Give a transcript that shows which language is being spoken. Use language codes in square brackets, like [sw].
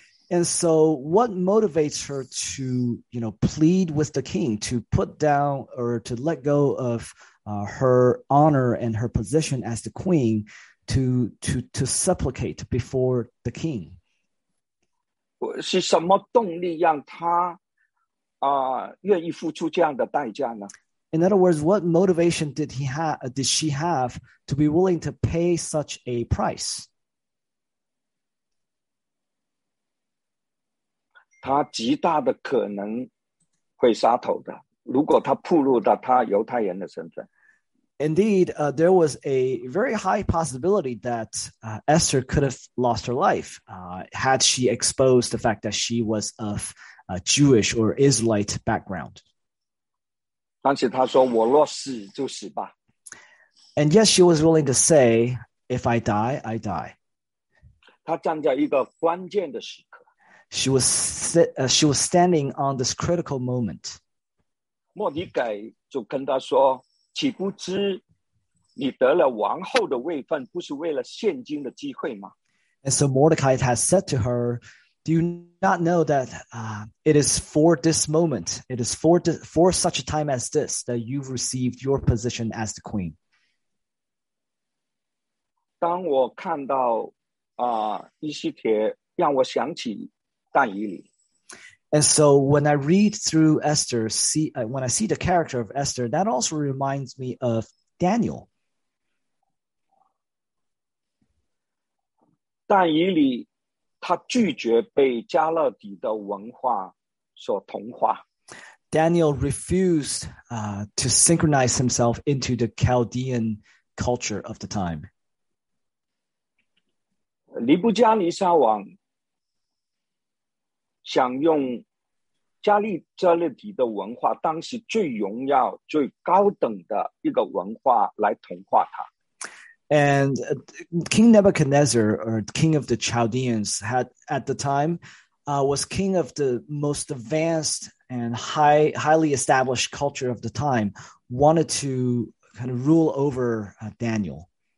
[en] And so what motivates her to, plead with the king to put down or to let go of her honor and her position as the queen to supplicate before the king? [zh] 是什么动力让她愿意付出这样的代价呢? [en] In other words, what motivation did she have to be willing to pay such a price? [zh] 他极大的可能会杀头的。如果他暴露到他犹太人的身份。 [en] Indeed, there was a very high possibility that Esther could have lost her life had she exposed the fact that she was of a Jewish or Israelite background. [zh] 但是他说我若死就死吧。 [en] And yet she was willing to say, if I die, I die. [zh] 他站在一个关键的时刻。 [en] She was standing on this critical moment. [zh] 莫迪改就跟他说岂不知你得了王后的位分不是为了现今的机会吗? [en] And so Mordecai has said to her, do you not know that it is for this moment, it is for such a time as this that you've received your position as the queen? [zh] 当我看到以西帖让我想起但以理。 [en] And so when I read through Esther, when I see the character of Esther, that also reminds me of Daniel. [zh] 但以理他拒绝被加勒底的文化所同化。 [en] Daniel refused to synchronize himself into the Chaldean culture of the time. [zh] 尼布加尼撒王想用加利加勒底的文化，当时最荣耀、最高等的一个文化来同化它。 [en] And King Nebuchadnezzar, or King of the Chaldeans, had at the time, was king of the most advanced and highly established culture of the time, wanted to kind of rule over Daniel.